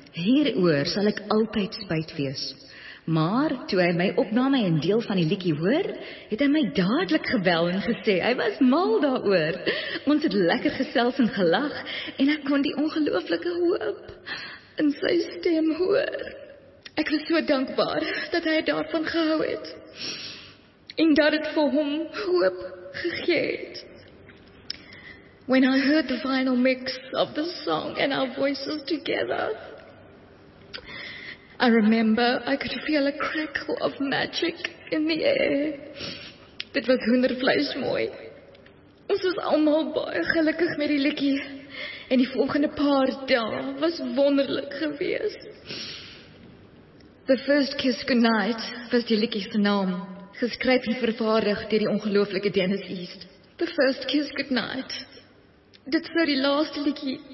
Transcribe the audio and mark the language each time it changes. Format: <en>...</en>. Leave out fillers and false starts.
<af>Hieroor sal ek altyd spyt wees. Maar, toe hy my opname en deel van die liedjie hoor, het hy my dadelik gebel en gesê, hy was mal daaroor. Ons het lekker gesels en gelag, en ek kon die ongelooflike hoop in sy stem hoor. Ek was so dankbaar, dat hy daarvan gehou het, en dat het vir hom hoop gegee het.</af> <en>When I heard the final mix of the song and our voices together, I remember I could feel a crackle of magic in the air.</en> <af>Dit was hoendervleis mooi. Ons was almal baie gelukkig met die liedjie. En die volgende paar dae was wonderlik geweest. The First Kiss Goodnight was die liedjie se naam, geskryf en vervaardig deur die ongelooflike Dennis East. The First Kiss Goodnight. Dit sou die laaste liedjie</af>